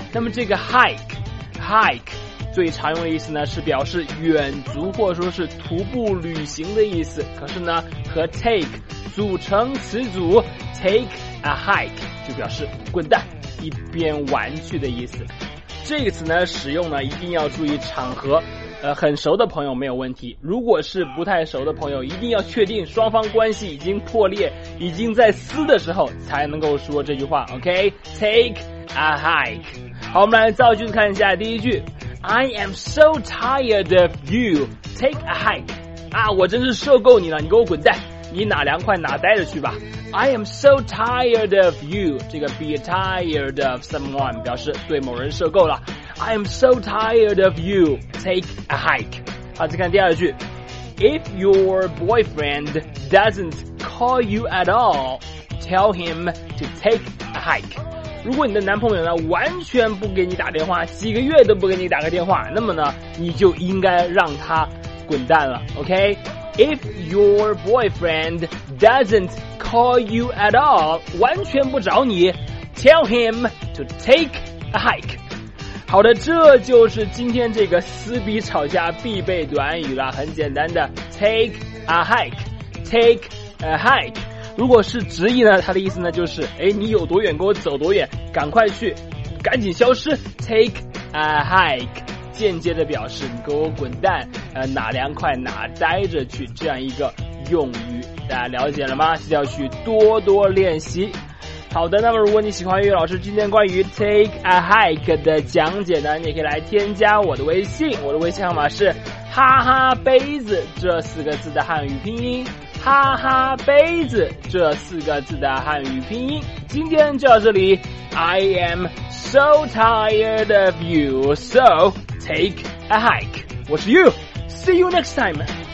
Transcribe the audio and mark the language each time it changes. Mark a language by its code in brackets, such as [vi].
[zh] 那么这个 hike 最常用的意思呢，是表示远足或者说是徒步旅行的意思，可是呢和 take 组成词组， [en] Take a hike [zh] 就表示滚蛋，一边玩去的意思。这个词呢使用呢一定要注意场合，很熟的朋友没有问题，如果是不太熟的朋友，一定要确定双方关系已经破裂，已经在撕的时候才能够说这句话。 [en] OK， Take a hike。 [zh] 好，我们来造句看一下。第一句， [en] I am so tired of you， Take a hike。 [zh] 啊，我真是受够你了，你给我滚蛋，你哪凉快哪待着去吧。 [en] I am so tired of you， [zh] 这个 [en] be tired of someone [zh] 表示对某人受够了。 [en] I am so tired of you. Take a hike. [zh] 好，再看第二句。 [en] If your boyfriend doesn't call you at all, tell him to take a hike. [zh] 如果你的男朋友呢完全不给你打电话，几个月都不给你打个电话，那么呢你就应该让他滚蛋了。 [en] OK? If your boyfriend doesn't call you at all, [zh] 完全不找你， [en] tell him to take a hike. [zh] 好的，这就是今天这个撕逼吵架必备短语了，很简单的 [en] Take a hike， Take a hike， [zh] 如果是直译呢，它的意思呢就是你有多远给我走多远，赶快去，赶紧消失， [en] Take a hike， [zh] 间接的表示你给我滚蛋，哪凉快哪待着去，这样一个用语，大家了解了吗？是要去多多练习。好的，那么如果你喜欢岳老师今天关于 [en] Take a Hike [zh] 的讲解呢，你也可以来添加我的微信，我的微信号码是哈哈杯子这四个字的汉语拼音，哈哈杯子这四个字的汉语拼音。今天就到这里， [en] I am so tired of you, so take a hike. [zh] 我是 [en] You, see you next time.